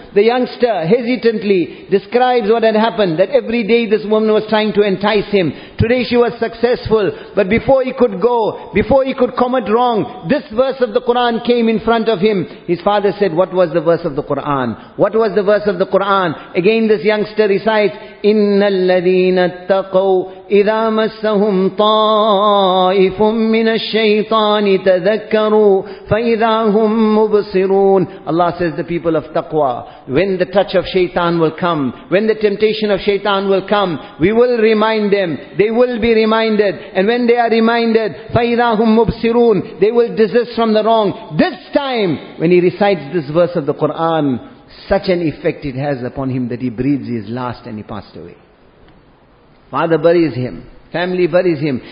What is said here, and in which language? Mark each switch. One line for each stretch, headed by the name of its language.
English: The youngster hesitantly describes what had happened. That every day this woman was trying to entice him. Today she was successful. But before he could go, before he could commit wrong, this verse of the Quran came in front of him. His father said, what was the verse of the Quran? What was the verse of the Quran? Again this youngster recites,
Arabic: إِنَّ الَّذِينَ اتَّقَوْا إِذَا مَسَّهُمْ طَائِفٌ مِّنَ الشَّيْطَانِ تَذَكَّرُوا فَإِذَا هُمْ مُبْصِرُونَ.
English: Allah says, the people of taqwa, when the touch of shaitan will come, when the temptation of shaitan will come, we will remind them, they will be reminded, and when they are reminded,
Arabic: فَإِذَا هُمْ مُبْصِرُونَ,
English: they will desist from the wrong. This time, when he recites this verse of the Quran, such an effect it has upon him that he breathes his last and he passed away. Father buries him. Family buries him.